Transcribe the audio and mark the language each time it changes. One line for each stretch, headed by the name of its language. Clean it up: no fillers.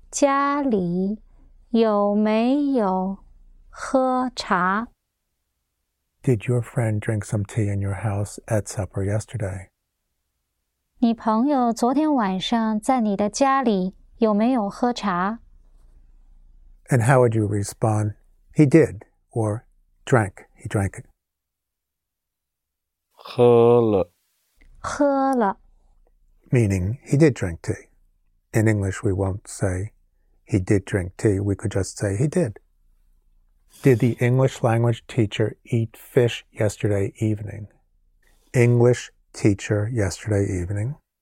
Chinese: 你朋友昨天晚上在你的家里有没有 喝茶.
English: Did your friend drink some tea in your house at supper yesterday?
Chinese: 你朋友昨天晚上在你的家里有没有喝茶?
English: And how would you respond? He did, or drank, he drank it.
Chinese: 喝了。喝了。
English: Meaning, he did drink tea. In English, we won't say, he did drink tea, we could just say, he did. Did the English language teacher eat fish yesterday evening? English teacher yesterday evening.